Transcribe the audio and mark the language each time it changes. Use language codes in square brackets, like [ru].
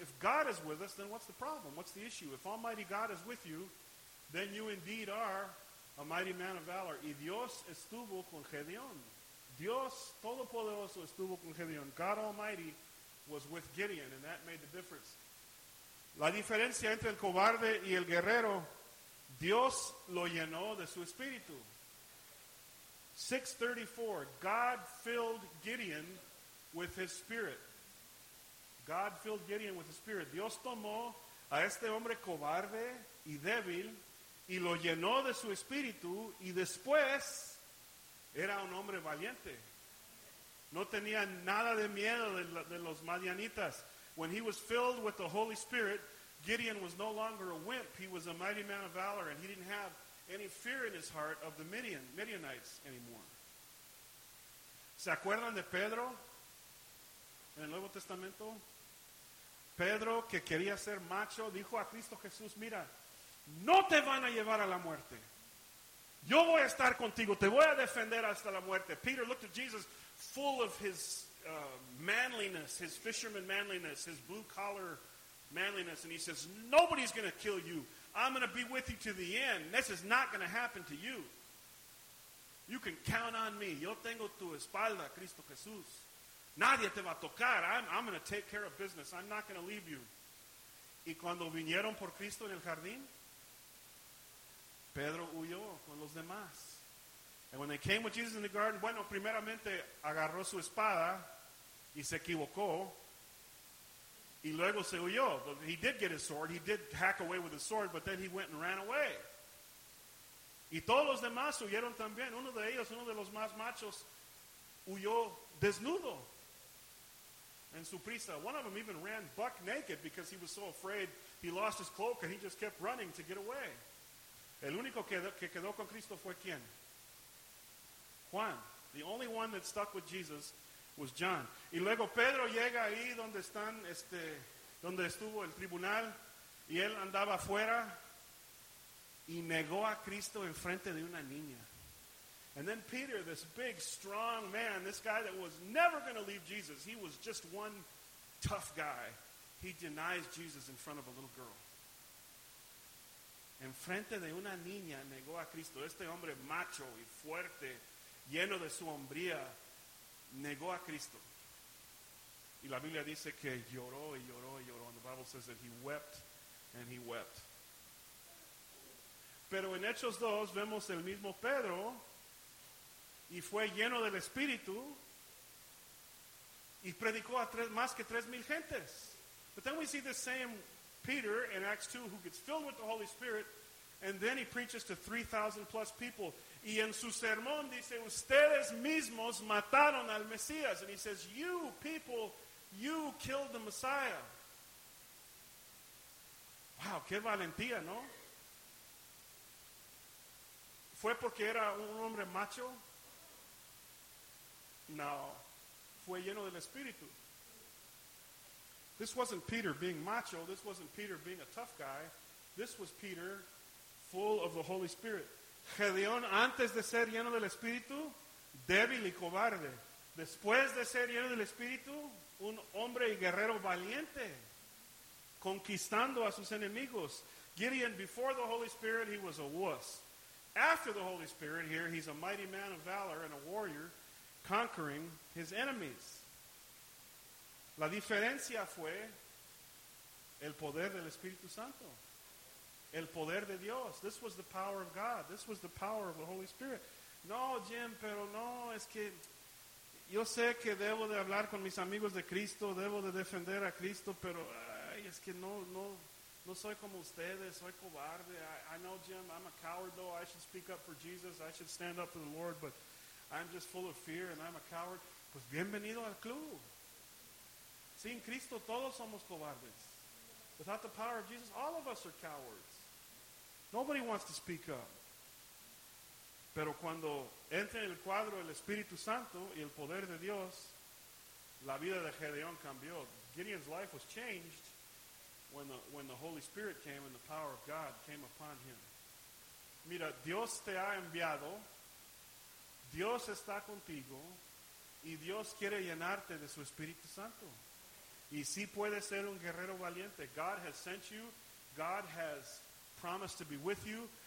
[en] If God is with us, then what's the problem? What's the issue? If Almighty God is with you, then you indeed are a mighty man of valor. [es] Y Dios estuvo con Gedeón. Dios Todopoderoso estuvo con Gedeón. [en] God Almighty was with Gideon, and that made the difference. [es] La diferencia entre el cobarde y el guerrero, Dios lo llenó de su espíritu. [en] 6:34, God filled Gideon with his spirit. God filled Gideon with his spirit. [es] Dios tomó a este hombre cobarde y débil y lo llenó de su espíritu y después era un hombre valiente. No tenía nada de miedo de los madianitas. [en] When he was filled with the Holy Spirit, Gideon was no longer a wimp. He was a mighty man of valor, and he didn't have any fear in his heart of the Midianites anymore. [es] ¿Se acuerdan de Pedro? En el Nuevo Testamento, Pedro, que quería ser macho, dijo a Cristo Jesús, mira, no te van a llevar a la muerte. Yo voy a estar contigo. Te voy a defender hasta la muerte. [en] Peter looked at Jesus full of his manliness, his fisherman manliness, his blue-collar manliness, and he says, nobody's going to kill you. I'm going to be with you to the end. This is not going to happen to you. You can count on me. [es] Yo tengo tu espalda, Cristo Jesús. Nadie te va a tocar. [en] I'm going to take care of business. I'm not going to leave you. [es] Y cuando vinieron por Cristo en el jardín, Pedro huyó con los demás. [en] And when they came with Jesus in the garden, [es] bueno, primeramente agarró su espada y se equivocó. Y luego se huyó. [en] He did get his sword. He did hack away with his sword, but then he went and ran away. [es] Y todos los demás huyeron también. Uno de ellos, uno de los más machos, huyó desnudo en su prisa. [en] One of them even ran buck naked because he was so afraid. He lost his cloak and he just kept running to get away. [es] El único que quedó con Cristo fue quién? Juan. [en] The only one that stuck with Jesus was John. [es] Y luego Pedro llega ahí donde están, donde estuvo el tribunal, y él andaba afuera y negó a Cristo en frente de una niña. [en] And then Peter, this big, strong man, this guy that was never going to leave Jesus, he was just one tough guy. He denies Jesus in front of a little girl. [es] En frente de una niña negó a Cristo. Este hombre macho y fuerte, lleno de su hombría, negó a Cristo. Y la Biblia dice que lloró y lloró y lloró. [en] And the Bible says that he wept and he wept. [es] Pero en Hechos 2 vemos el mismo Pedro y fue lleno del Espíritu y predicó a más que 3,000 gentes. [en] But then we see the same Peter in Acts 2 who gets filled with the Holy Spirit and then he preaches to 3,000 plus people. [es] Y en su sermón dice, ustedes mismos mataron al Mesías. [en] And he says, you people, you killed the Messiah. [es] Wow, qué valentía, ¿no? ¿Fue porque era un hombre macho? No, fue lleno del Espíritu. [en] This wasn't Peter being macho. This wasn't Peter being a tough guy. This was Peter full of the Holy Spirit. [es] Gedeón, antes de ser lleno del Espíritu, débil y cobarde. Después de ser lleno del Espíritu, un hombre y guerrero valiente, conquistando a sus enemigos. [en] Gideon, before the Holy Spirit, he was a wuss. After the Holy Spirit, here, he's a mighty man of valor and a warrior, conquering his enemies. [es] La diferencia fue El poder del Espíritu Santo. El poder de Dios. [en] This was the power of God. This was the power of the Holy Spirit. [es] No, Jim, pero no, es que yo sé que debo de hablar con mis amigos de Cristo, debo de defender a Cristo, pero ay, es que no soy como ustedes, soy cobarde. [en] I know, Jim, I'm a coward, though. I should speak up for Jesus. I should stand up for the Lord, but I'm just full of fear and I'm a coward. [es] Pues bienvenido al club. Sin Cristo, todos somos cobardes. [en] Without the power of Jesus, all of us are cowards. Nobody wants to speak up. [es] Pero cuando entra en el cuadro el Espíritu Santo y el poder de Dios, la vida de Gedeón cambió. [en] Gideon's life was changed when the Holy Spirit came and the power of God came upon him. [es] Mira, Dios te ha enviado, Dios está contigo, y Dios quiere llenarte de su Espíritu Santo. Y sí puede ser un guerrero valiente. [en] God has sent you. God has promised to be with you.